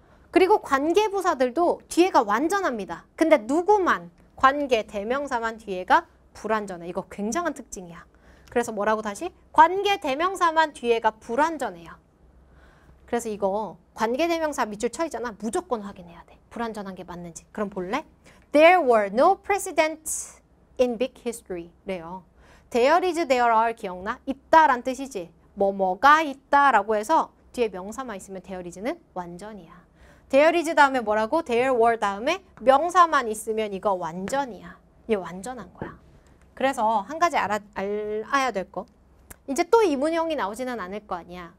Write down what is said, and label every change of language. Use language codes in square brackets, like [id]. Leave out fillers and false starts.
[ko] 그리고 관계부사들도 뒤에가 완전합니다. 근데 누구만 관계 대명사만 뒤에가 불완전해. 이거 굉장한 특징이야. 그래서 뭐라고 다시? 관계 대명사만 뒤에가 불완전해요. 그래서 이거 관계 대명사 밑줄 쳐 있잖아. 무조건 확인해야 돼. 불완전한 게 맞는지. 그럼 볼래? [en] There were no precedents in big history. [ko] 래요. There is, there are 기억나? 있다란 뜻이지. 뭐뭐가 있다라고 해서 뒤에 명사만 있으면 there is는 완전이야. There is 다음에 뭐라고? There were 다음에 명사만 있으면 이거 완전이야. 이게 완전한 거야. 그래서 한 가지 알아야 될 거. 이제 또 이문형이 나오지는 않을 거 아니야.